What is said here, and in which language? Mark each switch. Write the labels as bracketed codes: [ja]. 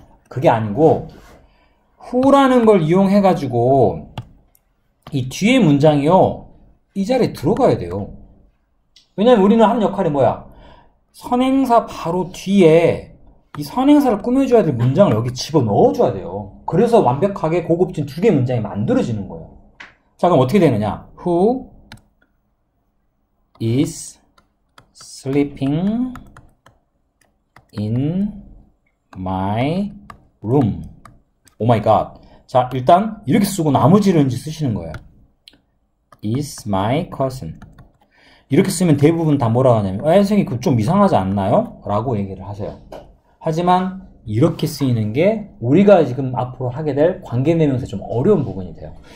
[ko] 그게 아니고 who라는 걸 이용해 가지고 이 뒤에 문장이요 이 자리에 들어가야 돼요. 왜냐면 우리는 하는 역할이 뭐야? 선행사 바로 뒤에 이 선행사를 꾸며줘야 될 문장을 여기 집어 넣어줘야 돼요. 그래서 완벽하게 고급진 두개 문장이 만들어지는 거예요. 자, 그럼 어떻게 되느냐? [en] Who is sleeping in my room? [ko] 오 마이 갓. 자, 일단 이렇게 쓰고 나머지를 이제 쓰시는 거예요. [en] Is my cousin. [ko] 이렇게 쓰면 대부분 다 뭐라고 하냐면, 선생님, 그거 좀 이상하지 않나요? 라고 얘기를 하세요. 하지만 이렇게 쓰이는 게 우리가 지금 앞으로 하게 될 관계대명사에 좀 어려운 부분이 돼요.